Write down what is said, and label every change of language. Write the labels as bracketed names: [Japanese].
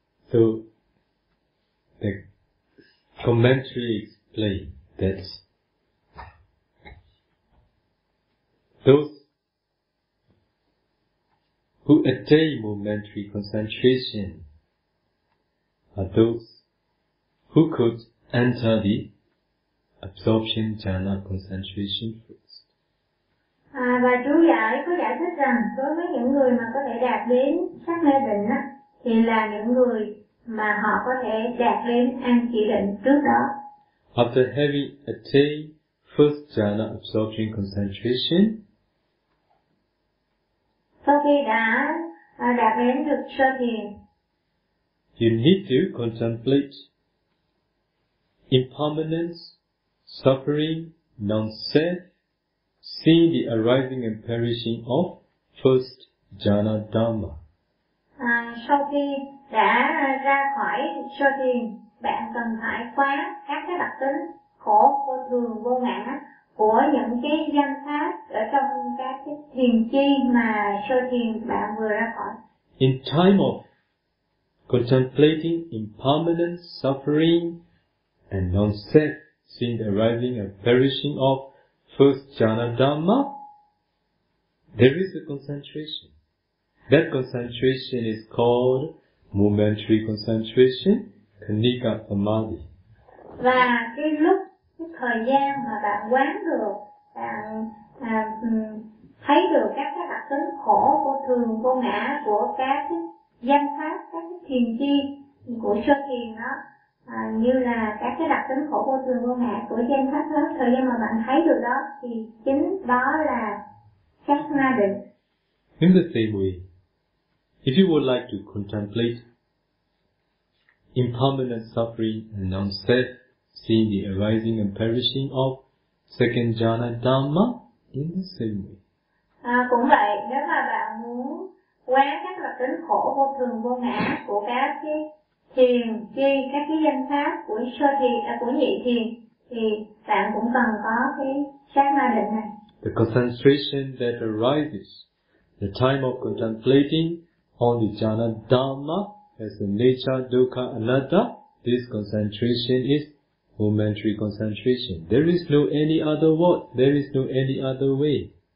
[English] So the commentary explained that those who attain momentary concentration are those who could enter the absorption jhana concentration first. [Vietnamese] À, và chú giải có giải thích rằng đối với những người mà có thể đạt đến sắc na định á thì là những người mà họ có thể đạt đến an chỉ định trước đó. [English] After having attained first jhana absorption concentration, [Vietnamese] sau khi đã đạt đến được sơ thiền, [English] you need to contemplate impermanence, suffering, non-self, seeing the arising and perishing of first jhana dhamma. [Vietnamese] À, sau khi đã ra khỏi sơ thiền, bạn cần phải quán các cái đặc tính khổ, vô thường, vô ngã của những cái danh pháp ở trong các cái thiền chi mà sơ thiền bạn vừa ra khỏi. [English] In time of contemplating impermanence, suffering, and non-self, seeing the arising and perishing of first jhana dhamma, there is a concentration. That concentration is called momentary concentration, khandika samadhi. [Vietnamese] Và cái lúc, cái thời gian mà bạn quán được, bạn thấy được các cái đặc tính khổ, vô thường, vô ngã của các danh pháp, các cái thiền chi của sơ thiền đó, à, như là các cái đặc tính khổ vô thường vô ngã của danh pháp đó, thời gian mà bạn thấy được đó thì chính đó là sắc na định. [English] In the same way, if you would like to contemplate impermanent suffering and non-self, seeing the arising and perishing of second jhana dhamma, in the same way. [Vietnamese] À, cũng vậy, nếu mà bạn muốn quán các đặc tính khổ vô thường vô ngã của các cái thiền chi, các cái danh pháp của sơ thiền, của nhị thiền, thì bạn cũng cần có cái sát na định này. [English] The concentration that arises, the time of contemplating on the jhana dhamma as the nature, dukkha, anatta, this concentration is momentary concentration. There is no any other word, there is no any other way.